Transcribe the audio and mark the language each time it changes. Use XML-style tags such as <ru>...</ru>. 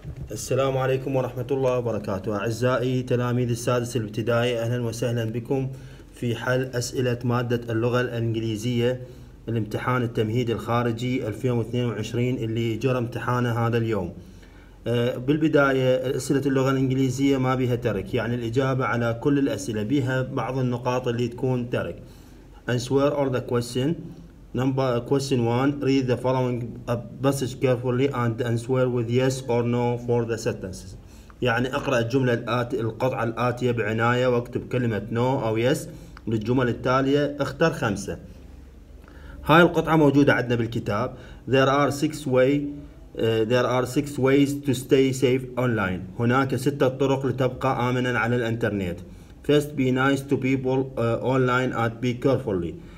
<ar>السلام عليكم ورحمة الله وبركاته. أعزائي تلاميذ السادس الابتدائي، أهلا وسهلا بكم في حل أسئلة مادة اللغة الإنجليزية الامتحان التمهيدي الخارجي 2022 اللي جرى امتحانه هذا اليوم. بالبداية، أسئلة اللغة الإنجليزية ما بها ترك، يعني الإجابة على كل الأسئلة بها بعض النقاط اللي تكون ترك.</ar> <en>Answer all the question. Number question one, read the following passage carefully and answer with yes or no for the sentences.</en> <ar>يعني اقرأ الجملة الآتية، القطعة الآتية بعناية، واكتب كلمة no أو yes للجمل التالية. اختر خمسة. هاي القطعة موجودة عندنا بالكتاب.</ar> <en>There are six ways to stay safe online.</en> <ar>هناك ستة طرق لتبقى آمنا على الانترنت.</ar> <en>First, be nice to people online and be carefully.</en>